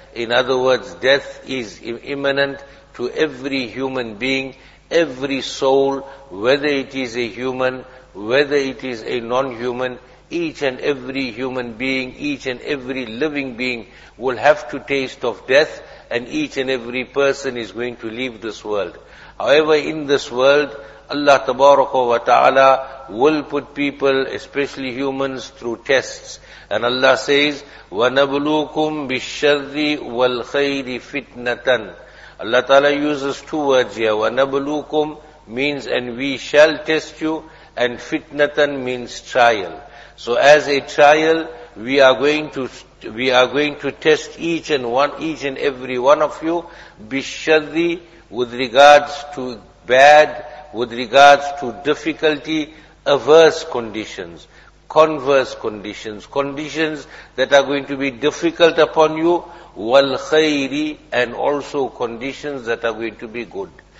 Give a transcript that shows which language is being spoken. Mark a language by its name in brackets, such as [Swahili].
[English] In other words, death is imminent to every human being, every soul, whether it is a human, whether it is a non-human, each and every human being, each and every living being will have to taste of death, and each and every person is going to leave this world. However, in this world, Allah Tabaraka wa Ta'ala will put people, especially humans, through tests. And Allah says, [Arabic] وَنَبْلُوكُمْ بِالشَّرِّ وَالْخَيْرِ فِتْنَةً. [English] Allah Ta'ala uses two words here. وَنَبْلُوكُمْ means, and we shall test you, and fitnatan means trial. So as a trial, we are going to test each and every one of you, bishadhi, with regards to bad, with regards to difficulty, averse conditions, converse conditions, conditions that are going to be difficult upon you, wal khairi, and also conditions that are going to be good.